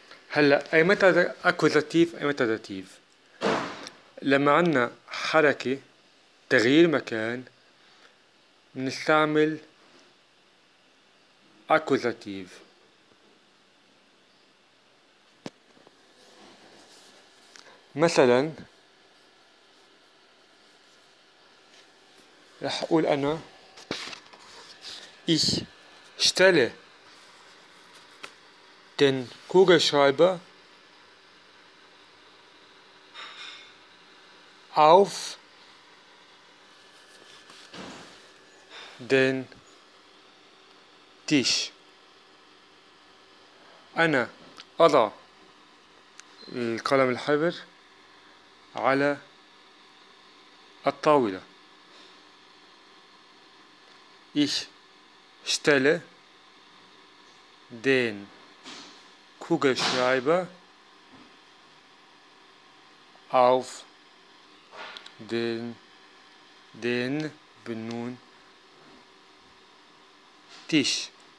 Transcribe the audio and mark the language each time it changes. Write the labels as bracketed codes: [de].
[ar] هلا اي متى اكوزاتيف اي متى داتيف؟ لما عنا حركة تغيير مكان بنستعمل اكوزاتيف. مثلا رح أقول أنا [de] ich stelle den Kugelschreiber auf den Tisch. [ar] أنا أضع القلم الحبر على الطاولة. [de] Ich stelle den Kugelschreiber auf den [ar] بنون [de] Tisch.